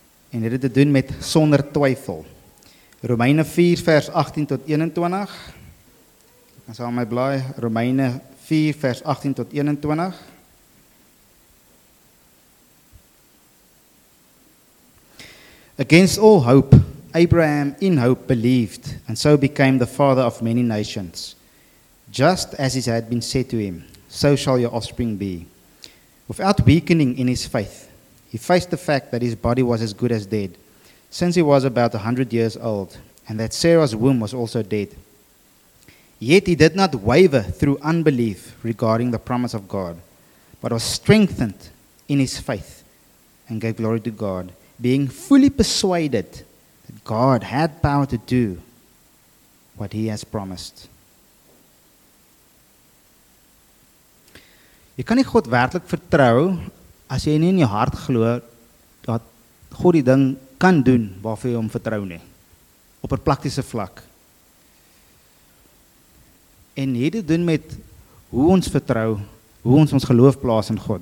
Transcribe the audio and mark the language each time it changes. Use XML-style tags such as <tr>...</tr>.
<af>En dit het te doen met sonder twyfel. Romeine 4 vers 18 tot 21. Ek gaan saam my blaai, Romeine 4 vers 18 tot 21.</af> <en>Against all hope, Abraham in hope believed, and so became the father of many nations. Just as it had been said to him, so shall your offspring be. Without weakening in his faith, he faced the fact that his body was as good as dead, since he was about 100 years old, and that Sarah's womb was also dead. Yet he did not waver through unbelief regarding the promise of God, but was strengthened in his faith and gave glory to God, being fully persuaded that God had power to do what he has promised.</en> <af>Jy kan nie God werklik vertrou as jy nie in jou hart glo dat God die ding kan doen waarvoor jy hom vertrou nie, op 'n praktiese vlak. En hierdie het doen met hoe ons vertrou, hoe ons geloof plaas in God.</af>